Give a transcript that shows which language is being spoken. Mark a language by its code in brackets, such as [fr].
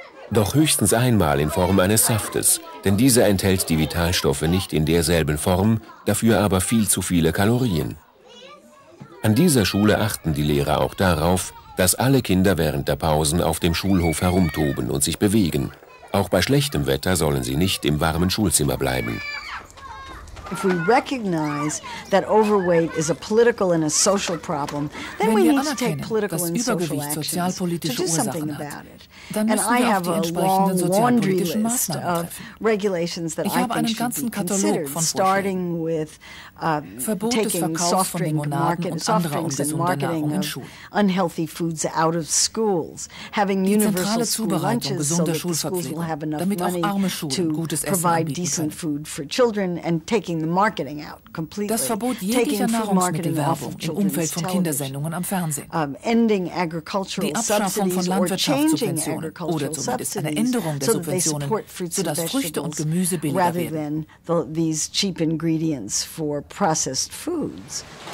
[de] Doch höchstens einmal in Form eines Saftes, denn dieser enthält die Vitalstoffe nicht in derselben Form, dafür aber viel zu viele Kalorien. An dieser Schule achten die Lehrer auch darauf, dass alle Kinder während der Pausen auf dem Schulhof herumtoben und sich bewegen. Auch bei schlechtem Wetter sollen sie nicht im warmen Schulzimmer bleiben. [en] If we recognize that overweight is a political and a social problem, then we need to take political and social actions to do something about it. And I have a long laundry list of regulations that I think should be considered, starting with taking soft drink market, soft drinks and marketing unhealthy foods out of schools, having universal school lunches so that the schools will have enough money to provide decent food for children and taking the marketing out completely. [de] Das Verbot jeglicher Nahrungsmittelwerbung im Umfeld von Kindersendungen am Fernsehen. [en] Ending agricultural [de] die Abschaffung von Landwirtschaftssubventionen oder zumindest eine Änderung der Subventionen, sodass Früchte und Gemüse billiger werden. [en] These cheap ingredients for processed foods.